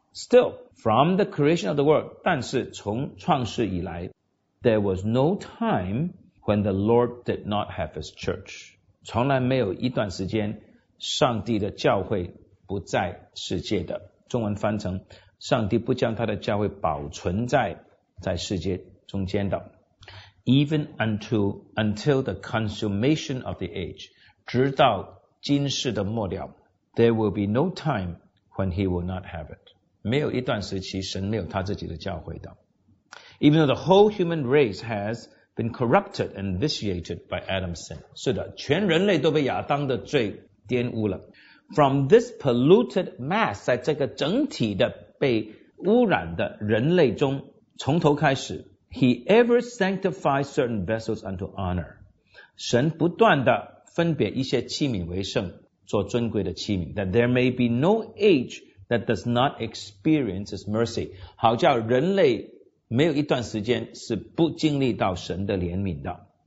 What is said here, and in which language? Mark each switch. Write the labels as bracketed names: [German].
[English] Still from the creation of the world， [Chinese] 但是从创世以来， [English] There was no timeWhen the Lord did not have his church， [Chinese] 从来没有一段时间上帝的教会不在世界的，中文翻成上帝不将他的教会保存在世界中间的。 [English] Even until the consummation of the age， [Chinese] 直到今世的末了， [English] There will be no time when he will not have it， [Chinese] 没有一段时期神没有他自己的教会的。 [English] Even though the whole human race hasbeen corrupted and vitiated by Adam's sin， [Chinese] 是的，全人类都被亚当的罪玷污了。 [English] From this polluted mass， [Chinese] 在这个整体的被污染的人类中，从头开始， [English] He ever sanctifies certain vessels unto honor， [Chinese] 神不断地分别一些器皿为圣，做尊贵的器皿， [English] That there may be no age that does not experience his mercy， [Chinese] 好叫人类没有一段时间是不经历到神的怜悯的。